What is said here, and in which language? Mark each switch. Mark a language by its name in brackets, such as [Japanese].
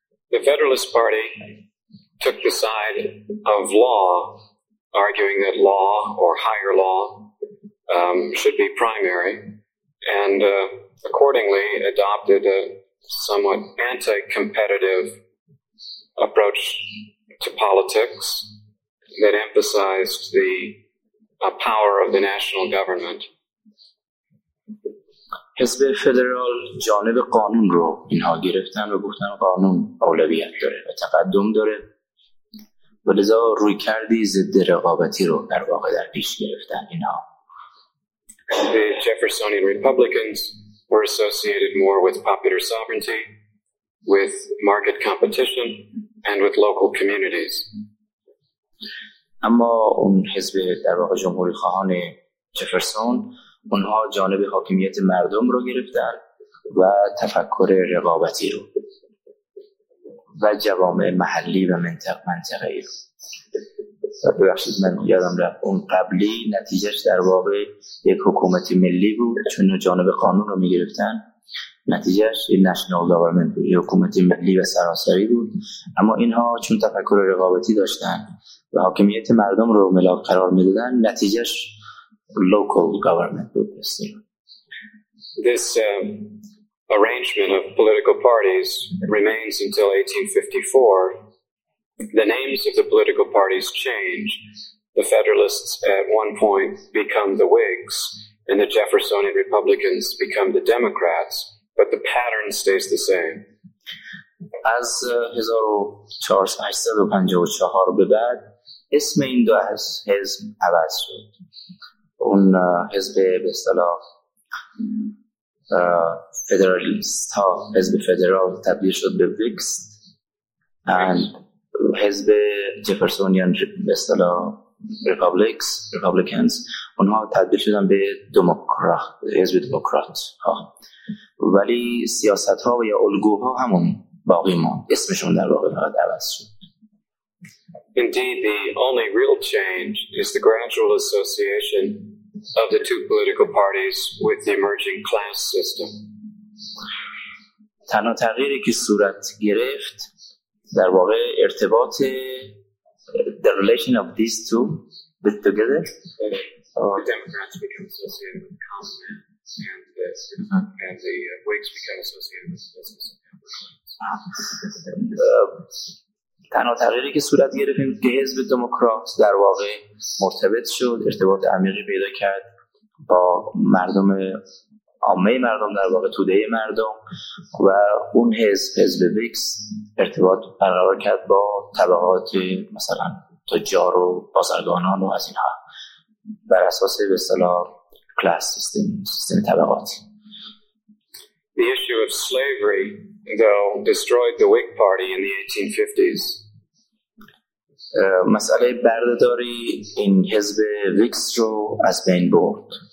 [English] The Federalist Party took the side of law, arguing that law or higher law should be primary, and accordingly adopted a somewhat anti-competitive approach to politics that emphasized the power of the national government. [Persian] حزب فدرال جانب قانون رو اینها گرفتن و گفتن قانون اولویت داره و تقدم داره، و لذا روی کردی ضد رقابتی رو در واقع در پیش گرفتن اینها. [English] The Jeffersonian Republicans were associated more with popular sovereignty, with market competition, and with local communities. [Persian] اما اون حزب در واقع جمهوری خواهان جفرسون، اونها جانب حاکمیت مردم رو گرفتن و تفکر رقابتی رو و جوامع محلی و منطقه‌ای رو. ببخشید من یادم رفت، اون قبلی نتیجهش در واقع یک حکومت ملی بود، چون جانب قانون رو می‌گرفتن نتیجهش یک [English] national government [Persian] بود، یک حکومت ملی و سراسری بود. اما اینها چون تفکر رقابتی داشتن و حاکمیت مردم رو ملاک قرار می‌دادن، نتیجهش [English] local government [Persian] بود. [English] This arrangement of political parties remains until 1854. The names of the political parties change. The Federalists at one point become the Whigs, and the Jeffersonian Republicans become the Democrats, but the pattern stays the same. [Persian] از 1854 به بعد اسم این دو حزب عوض شد. اون حزب به اصطلاح فدرالیست ها، حزب فدرال تبدیل شد به ویکس، و حزب جفرسونیان به اصطلاح ریپابلیکنز اونها تبدیل شدن به حزب دموکرات ها. ولی سیاست ها و یا الگوها همون باقی ماند، اسمشون در واقع فقط عوض شد. [English] Indeed, the only real change is the gradual association of the two political parties with the emerging class system. [Persian] تنها تغییری که صورت گرفت در واقع ارتباط [English] the relation of these two with together? Or? The Democrats become associated with common man, and the, uh-huh. and the Whigs become associated with the business of [Persian] تنها تغییری که صورت گرفت این که حزب دموکرات در واقع مرتبط شد، ارتباط عمیقی پیدا کرد با مردم، عامه مردم، در واقع توده مردم، و اون حزب، حزب ویکس، ارتباط برقرار کرد با طبقات مثلا تجار و بازرگانان و از اینها بر اساس به اصطلاح کلاس سیستم، سیستم طبقاتی. [English] The issue of slavery, though, destroyed the Whig Party in the 1850s. [Persian] مسئله بردهداری این حزب ویکس رو از بین برد.